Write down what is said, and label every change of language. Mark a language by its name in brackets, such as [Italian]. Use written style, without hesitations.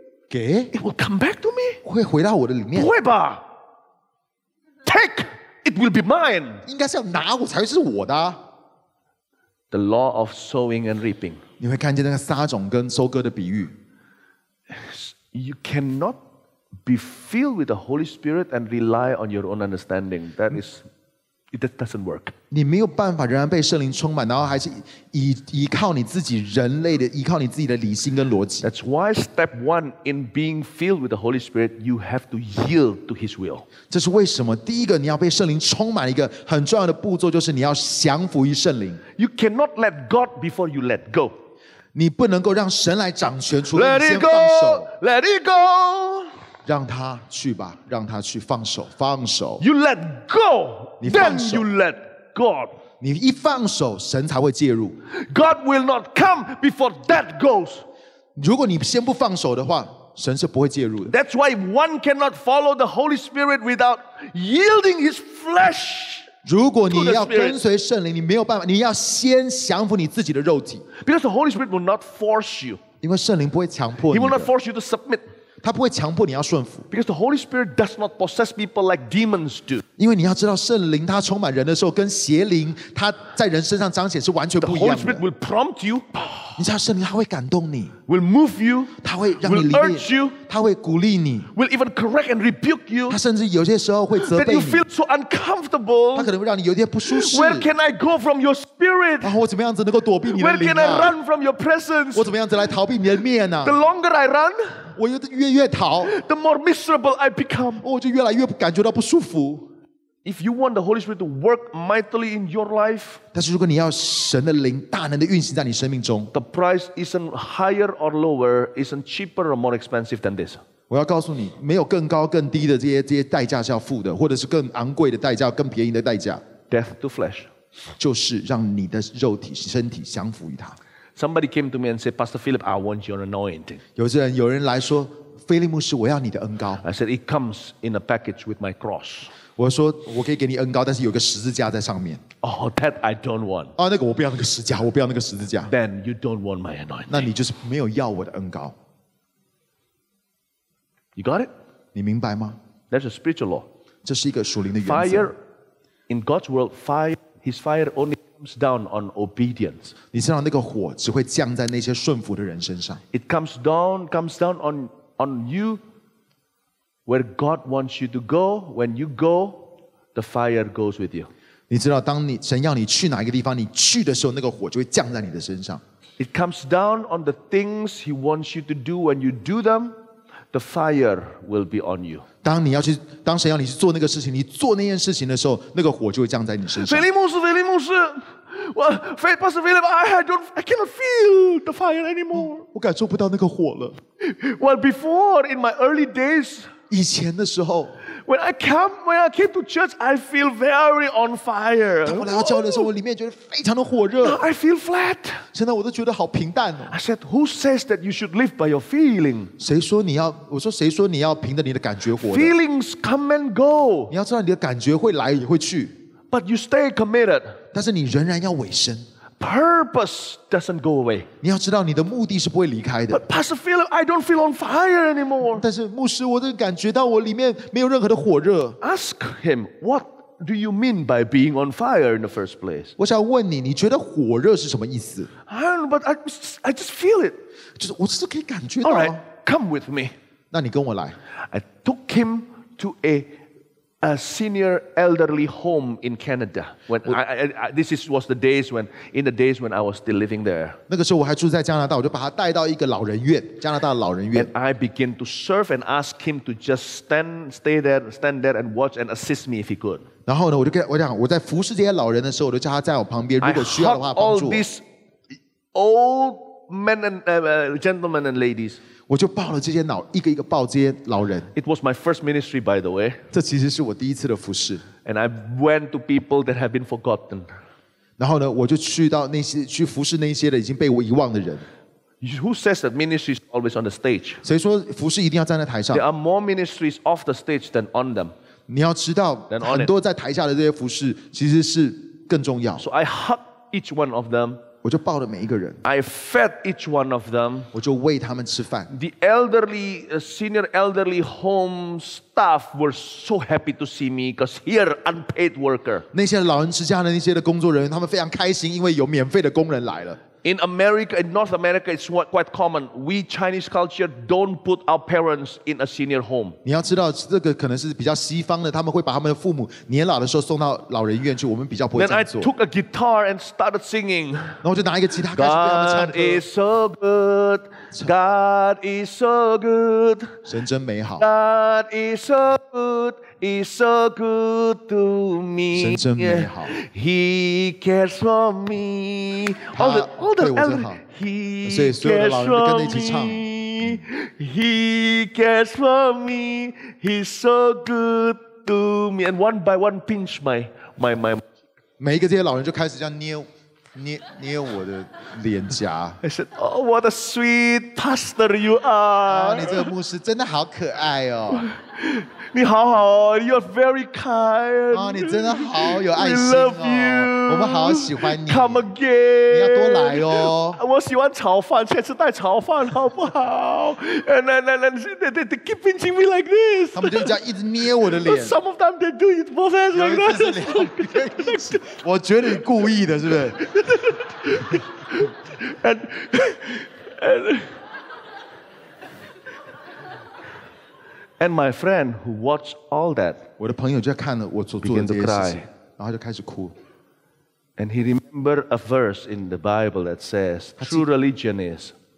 [Chinese] 给 [English] ，it will come back to me. [Chinese] 会回到我的里面。不会吧 [English] ？Take, it will be mine. [Chinese] 应该是要拿我才是我的、啊。 [English] The law of sowing and reaping. [Chinese] 你会看见那个撒种跟收割的比喻。 [English] You cannot. Be filled with the Holy Spirit and rely on your own understanding. That is, that doesn't work. [Chinese] 你没有办法仍然被圣灵充满，然后还是依靠你自己人类的，依靠你自己的理性跟逻辑。 [English] That's why step one in being filled with the Holy Spirit, you have to yield to His will. [Chinese] 这是为什么？第一个你要被圣灵充满，一个很重要的步骤就是你要降服于圣灵。 [English] You cannot let God before you let go. [Chinese] 你不能够让神来掌权，除了你先放手。 [English] Let it go. [Chinese] 让他去吧，让他去，放手，放手。 [English] You let go, [Chinese] 你放手 [English] then you let God. [Chinese] 你一放手，神才会介入。 [English] God will not come before that goes. [Chinese] 如果你先不放手的话，神是不会介入的。 [English] That's why one cannot follow the Holy Spirit without yielding his flesh. [Chinese] 如果你要跟随圣灵，你没有办法，你要先降服你自己的肉体。 [English] Because the Holy Spirit will not force you. [Chinese] 因为圣灵不会强迫你。 [English] He will not force you to submit. [Chinese] 他不会强迫你要顺服。 [English] Because the Holy Spirit does not possess people like demons do. [Chinese] 因为你要知道，圣灵他充满人的时候，跟邪灵他在人身上彰显是完全不一样的。 [English] The Holy Spirit will prompt you. [Chinese] 你知道圣灵他会感动你。 [English] Will move you. [Chinese] 他会让你里面。 [English] Will urge you. [Chinese] 他会鼓励你。 [English] Will even correct and rebuke you. [Chinese] 他甚至有些时候会责备你。 [English] That you feel so uncomfortable. [Chinese] 他可能会让你有点不舒适。 [English] Where can I go from your spirit? [Chinese] 我怎么样子能够躲避你的灵啊？ [English] Where can I run from your presence? [Chinese] 我怎么样子来逃避你的面啊？ [English] The longer I run. [Chinese] 我越逃 [English] the more miserable I become. [Chinese] 我就越来越感觉到不舒服。 [English] If you want the Holy Spirit to work mightily in your life, [Chinese] 但是如果你要神的灵大能的运行在你生命中， [English] the price isn't higher or lower, isn't cheaper or more expensive than this. [Chinese] 我要告诉你，没有更高更低的这些代价是要付的，或者是更昂贵的代价，更便宜的代价。 [English] Death to flesh, [Chinese] 就是让你的肉体身体降服于他。 [English] Somebody came to me and said, Pastor Philip, I want your anointing. [Chinese] 有人来说，菲利牧师，我要你的恩膏。 [English] I said, it comes in a package with my cross. [Chinese] 我说，我可以给你恩膏，但是有个十字架在上面。 [English] Oh, that I don't want. [Chinese] 啊，那个我不要那个十字架，我不要那个十字架。 [English] Then you don't want my anointing. [Chinese] 那你就是没有要我的恩膏。 [English] You got it? [Chinese] 你明白吗？ [English] That's a spiritual law. [Chinese] 这是一个属灵的原则。 [English] Fire, in God's world, fire, his fire only... comes down on obedience. [Chinese] 你知道那个火只会降在那些顺服的人身上。 [English] It comes down on you where God wants you to go. When you go, the fire goes with you. [Chinese] 你知道当你神要你去哪一个地方，你去的时候，那个火就会降在你的身上。 [English] It comes down on the things He wants you to do. When you do them, the fire will be on you. [Chinese] 当神要你去做那个事情，你做那件事情的时候，那个火就会降在你身上。菲利牧师，菲利牧师，我菲巴斯菲利， [English] I cannot feel the fire anymore. [Chinese] 我感受不到那个火了。 [English] Well, before in my early days, [Chinese] 以前的时候 [English] when I came to church, I feel very on fire. [Chinese] 当我来到教会的时候，我里面觉得非常的火热。 [English] Now I feel flat. [Chinese] 现在我都觉得好平淡哦。 [English] I said, who says that you should live by your feeling? [Chinese] 谁说你要？我说谁说你要凭着你的感觉活的 [English] ？Feelings come and go. [Chinese] 你要知道你的感觉会来也会去。 [English] But you stay committed. [Chinese] 但是你仍然要委身。 [English] Purpose doesn't go away. [Chinese] 你要知道你的目的是不会离开的。 [English] But Pastor Philip, I don't feel on fire anymore. [Chinese] 但是牧师，我都感觉到我里面没有任何的火热。 [English] Ask him, what do you mean by being on fire in the first place? [Chinese] 我想问你，你觉得火热是什么意思？ [English] I don't know, but I just feel it. [Chinese] 就是我只是可以感觉到。 [English] All right, come with me. [Chinese] 那你跟我来。 [English] I took him to a senior elderly home in Canada. This was the days when I was still living there. [Chinese] 那个时候我还住在加拿大，我就把他带到一个老人院，加拿大的老人院。 [English] And I began to serve and ask him to just stand there and watch and assist me if he could. [Chinese] 然后呢，我在服侍这些老人的时候，我就叫他在我旁边，如果需要的话帮助我。 [English] I hugged all these old men and gentlemen and ladies. [Chinese] 我就抱了这些老一个一个抱这些老人。 [English] It was my first ministry, by the way. [Chinese] 这其实是我第一次的服事。 [English] And I went to people that have been forgotten. [Chinese] 然后呢，我就去到那些去服事那些的已经被我遗忘的人。 [English] Who says that ministry is always on the stage? [Chinese] 谁说服事一定要站在台上 [English] ？There are more ministries off the stage than on them. [Chinese] 你要知道，很多在台下的这些服事其实是更重要。 [English] So I hug each one of them. [Chinese] 我就抱了每一个人。 [English] I fed each one of them. [Chinese] 我就喂他们吃饭。 [English] The elderly, senior elderly home staff were so happy to see me because here unpaid worker. [Chinese] 那些老人之家的那些的工作人员，他们非常开心，因为有免费的工人来了。 [English] In America, in North America, it's quite common. We Chinese culture don't put our parents in a senior home. [Chinese] 你要知道，这个可能是比较西方的，他们会把他们的父母年老的时候送到老人院去。我们比较不会这样做。 [English] Then I took a guitar and started singing. [Chinese] 然后我就拿一个吉他开始为他们唱歌。 [English] God is so good. God is so good. [Chinese] 神真美好。 [English] God is so good. Is so good to me. [Chinese] 神真美好。 [English] He cares for me. All the elderly. He cares for me. [Chinese] 所以所有的老人跟着一起唱。 [English] He cares for me. He's so good to me. And one by one, pinch my. [Chinese] 每一个这些老人就开始这样捏我的脸颊。 [English] I said, "Oh, what a sweet pastor you are!" [Chinese] 啊，你这个牧师真的好可爱哦。你好好哦 [English] ，You are very kind. [Chinese] 啊，你真的好有爱心哦。 [English] We love you. [Chinese] 我们好喜欢你。 [English] Come again. [Chinese] 你要多来哦。我喜欢炒饭，下次带炒饭好不好？ [English] And they keep pinching me like this. [Chinese] 他们就这样一直捏我的脸。 [English] Some of them they do it both hands like that. [Chinese] 我觉得你故意的，是不是 [English] ？And my friend who watched all that, [Chinese] 我的朋友就看了我所做的这些事情，然后就开始哭。 [English] And he remembered a verse in the Bible that says, "True religion is."